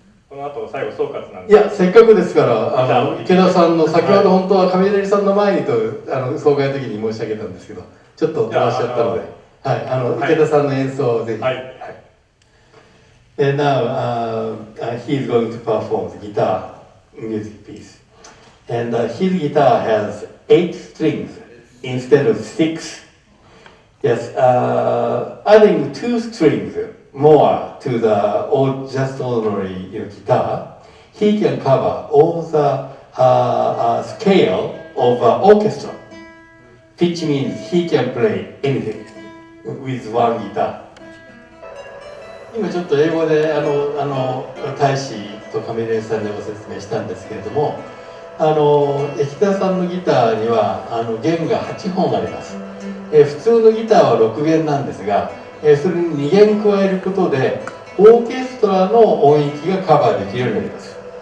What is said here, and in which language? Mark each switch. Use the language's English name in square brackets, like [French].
[Japanese] この後最後総括なんです。いや、せっかくですから、池田さんの先ほど本当は上谷さんの前にと、総会の時に申し上げたんですけど、ちょっと出しちゃったので、はい、池田さんの演奏をぜひ。はい。 [English] And now, he is going to perform the guitar music piece. And his guitar has eight strings instead of six. Yes, adding two strings. More to the old, just ordinary you know, guitar, he can cover all the scale of orchestra. Pitch means he can play anything with one guitar. [Japanese] 今ちょっと英語で大使と亀井さんにご説明したんですけれども、池田さんのギターには弦が8本あります。普通のギターは6弦なんですが、それに2弦加えることでオーケストラの音域がカバーできるようになります。